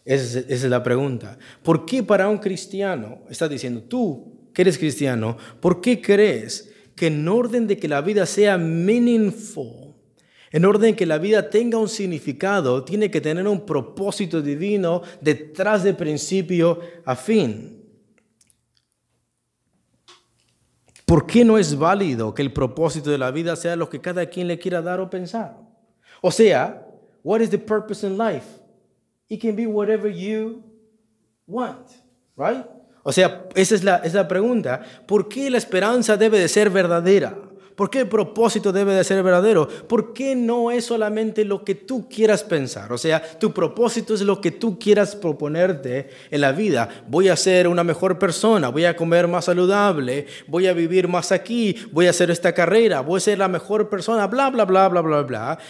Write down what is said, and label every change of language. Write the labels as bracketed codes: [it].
[es] Esa es la pregunta. ¿Por qué para un cristiano, está diciendo tú que eres cristiano, ¿por qué crees que en orden de que la vida sea meaningful, en orden que la vida tenga un significado, tiene que tener un propósito divino detrás de principio a fin? ¿Por qué no es válido que el propósito de la vida sea lo que cada quien le quiera dar o pensar? O sea, [en] what is the purpose in life? It can be whatever you want, right? [es] O sea, esa es la pregunta. ¿Por qué la esperanza debe de ser verdadera? ¿Por qué el propósito debe de ser verdadero? ¿Por qué no es solamente lo que tú quieras pensar? O sea, tu propósito es lo que tú quieras proponerte en la vida. Voy a ser una mejor persona, voy a comer más saludable, voy a vivir más aquí, voy a hacer esta carrera, voy a ser la mejor persona, bla, bla, bla, bla, bla, bla.